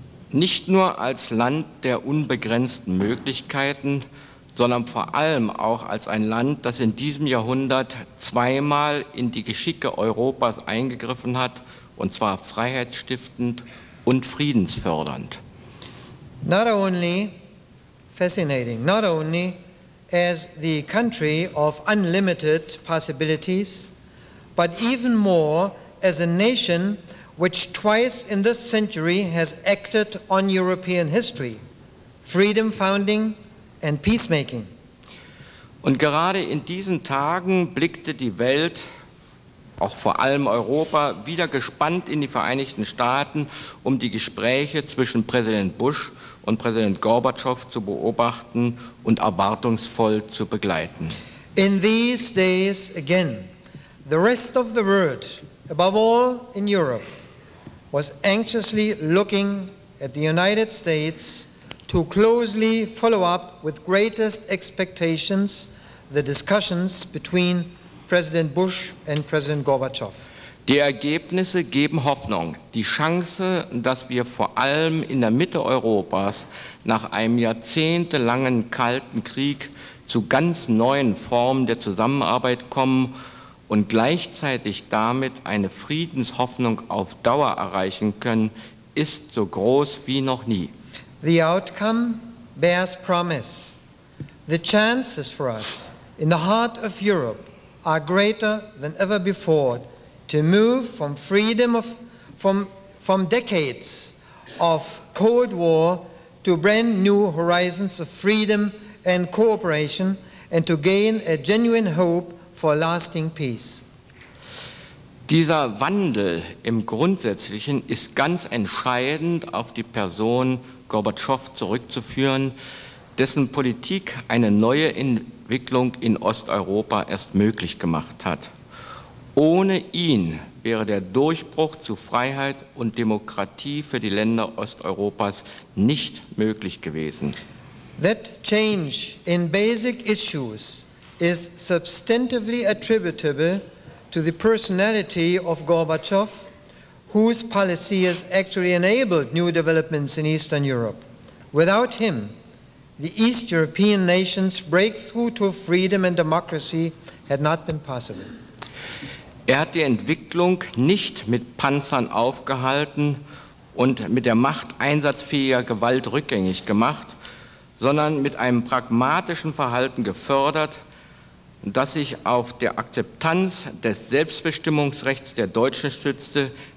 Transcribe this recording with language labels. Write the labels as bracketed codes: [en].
[de] Nicht nur als Land der unbegrenzten Möglichkeiten, sondern vor allem auch als ein Land, das in diesem Jahrhundert zweimal in die Geschicke Europas eingegriffen hat, und zwar freiheitsstiftend und friedensfördernd. [en] Not only fascinating, not only as the country of unlimited possibilities, but even more as a nation which twice in this century has acted on European history, freedom founding and peacemaking. [de] Und gerade in diesen Tagen blickte die Welt, auch vor allem Europa, wieder gespannt in die Vereinigten Staaten, um die Gespräche zwischen Präsident Bush und Präsident Gorbatschow zu beobachten und erwartungsvoll zu begleiten. [en] In these days again, the rest of the world, above all in Europe, was anxiously looking at the United States to closely follow up with greatest expectations the discussions between President Bush and President Gorbatschow. [de] Die Ergebnisse geben Hoffnung. Die Chance, dass wir vor allem in der Mitte Europas nach einem jahrzehntelangen Kalten Krieg zu ganz neuen Formen der Zusammenarbeit kommen und gleichzeitig damit eine Friedenshoffnung auf Dauer erreichen können, ist so groß wie noch nie. [en] The outcome bears promise. The chances for us in the heart of Europe are greater than ever before to move from freedom from decades of Cold War to brand new horizons of freedom and cooperation and to gain a genuine hope for lasting peace. [de] Dieser Wandel im Grundsätzlichen ist ganz entscheidend auf die Person Gorbatschow zurückzuführen, dessen Politik eine neue Entwicklung in Osteuropa erst möglich gemacht hat. Ohne ihn wäre der Durchbruch zu Freiheit und Demokratie für die Länder Osteuropas nicht möglich gewesen. [en] That change in basic issues is substantively attributable to the personality of Gorbachev, whose policies actually enabled new developments in Eastern Europe. Without him, the East European nations' breakthrough to freedom and democracy had not been possible. [de] Er hat die Entwicklung nicht mit Panzern aufgehalten und mit der Macht einsatzfähiger Gewalt rückgängig gemacht, sondern mit einem pragmatischen Verhalten gefördert, das sich auf der Akzeptanz des Selbstbestimmungsrechts der Deutschen stützte.